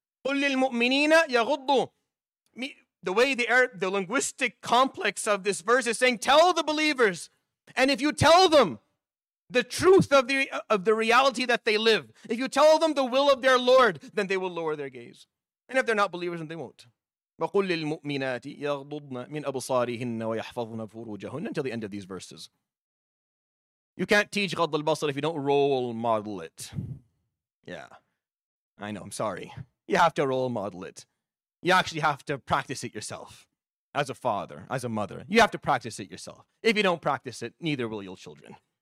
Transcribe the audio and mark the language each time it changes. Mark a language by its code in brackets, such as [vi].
[ar] قُلْ لِلْمُؤْمِنِينَ يَغُضُّوا. [en] The way the linguistic complex of this verse is saying, tell the believers. And if you tell them the truth of the reality that they live, if you tell them the will of their Lord, then they will lower their gaze. And if they're not believers, then they won't. [ar] وَقُلْ لِلْمُؤْمِنَاتِ يَغْضُضْنَ مِنْ أَبْصَارِهِنَّ وَيَحْفَظْنَ فُرُوجَهُنَّ [en] until the end of these verses. You can't teach غض البصر if you don't role model it. Yeah, I know, I'm sorry. You have to role model it. You actually have to practice it yourself. As a father, as a mother, you have to practice it yourself. If you don't practice it, neither will your children.